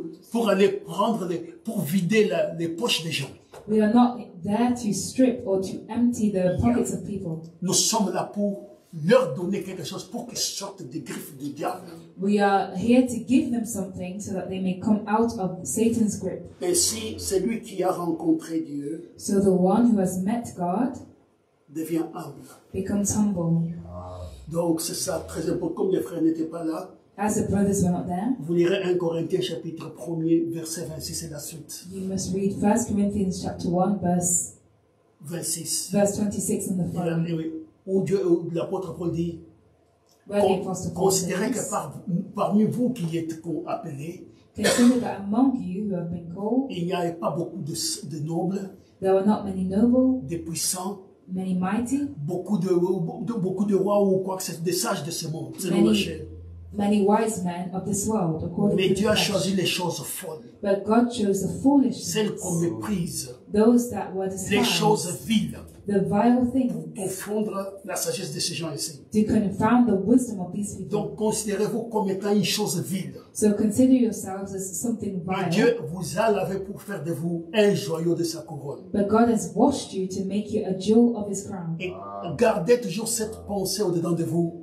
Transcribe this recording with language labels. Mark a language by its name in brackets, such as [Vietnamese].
[French] Pour aller prendre, pour vider les poches des gens. [English] We are not there to strip or to empty the pockets of people. [French] Nous sommes là pour leur donner quelque chose pour qu'ils sortent des griffes du diable. [English] We are here to give them something so that they may come out of Satan's grip. [French] Et si celui qui a rencontré Dieu, [English] so the one who has met God, [French] devient humble, [English] becomes humble. [French] Donc c'est ça très important. Comme les frères n'étaient pas là, [English] As the brothers were not there. [French] Vous lirez 1 Corinthiens chapitre 1 verset 26 et la suite. [English] You must read 1 Corinthians chapter 1 verse 26. Verse 26 and the following. [French] Oui, où Dieu, où l'apôtre Paul dit, considérez que parmi vous qui êtes appelés, [English] consider that among you who have been called, [French] il n'y avait pas beaucoup de nobles, [English] there were not many nobles, [French] des puissants, [English] many mighty, [French] beaucoup de rois ou quoi que ce soit, des sages de ce monde, selon la chair. [English] Many wise men of this world, according [French] mais [English] to [French] a choisi les choses folles, [English] but God chose the foolish things, [French] celles qu'on méprise, [English] those that were despised, [French] les choses viles, [English] the vile things, [French] pour confondre la sagesse de ces gens ici. [English] To confound the wisdom of these people. [French] Donc considérez-vous comme étant une chose vile. [English] So consider yourselves as something vile. [French] Mais Dieu vous a lavé pour faire de vous un joyau de sa couronne. [English] But God has washed you to make you a jewel of His crown. [French] Et gardez toujours cette pensée au-dedans de vous.